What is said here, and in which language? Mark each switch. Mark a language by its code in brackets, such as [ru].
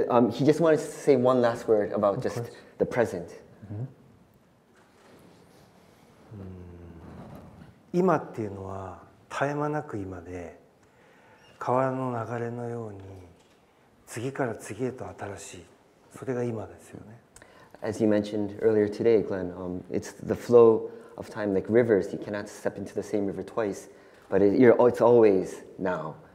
[en] He just wanted to say one last word about just the present. [ja] 今っていうのは絶え間なく今で、川の流れのように次から次へと新しい、それが今ですよね。 [en] As you mentioned earlier today, Glenn, it's the flow of time like rivers. You cannot step into the same river twice, but it's always now.